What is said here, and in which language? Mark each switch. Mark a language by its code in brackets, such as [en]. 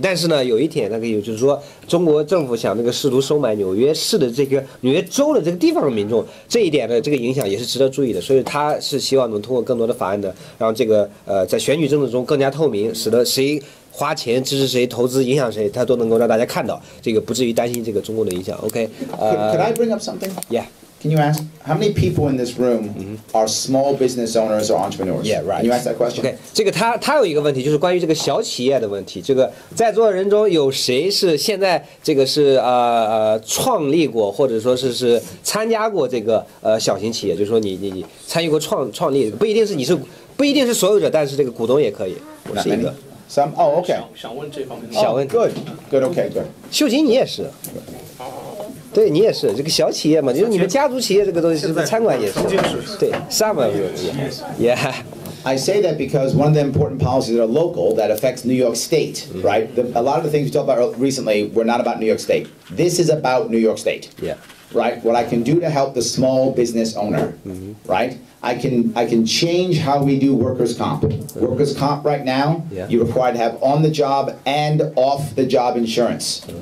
[zh] 但是呢，有一点，那个有就是说，中国政府想那个试图收买纽约市的这个纽约州的这个地方的民众，这一点的这个影响也是值得注意的。所以他是希望能通过更多的法案的，让这个在选举政治中更加透明，使得谁。花钱支持谁，投资影响谁，他都能够让大家看到，这个不至于担心这个中共的影响。 [en] OK， Could I bring up something? Yeah. Can you ask how many people in this room are small business owners or entrepreneurs? Yeah, right. Can you ask that question? [zh] OK， 这个他有一个问题，就是关于这个小企业的问题。这个在座的人中有谁是现在这个是创立过，或者说是参加过这个小型企业？就是说你参与过创立，不一定是你是不一定是所有者，但是这个股东也可以。我是一个。 [en] Some okay. [zh] 想问这方面的。想问。 [en] Good, good, okay, good. [zh] 秀琴，你也是。对，你也是这个小企业嘛，就是你们家族企业这个东西，是餐馆也是。 [en] 对 ，some of you, yeah. I say that because one of the important policies are local that affects New York State, right? A lot of the things we talked about recently were not about New York State. This is about New York State. Yeah. Right. What I can do to help the small business owner, right? I can change how we do workers' comp. Workers' comp right now, you're required to have on the job and off the job insurance.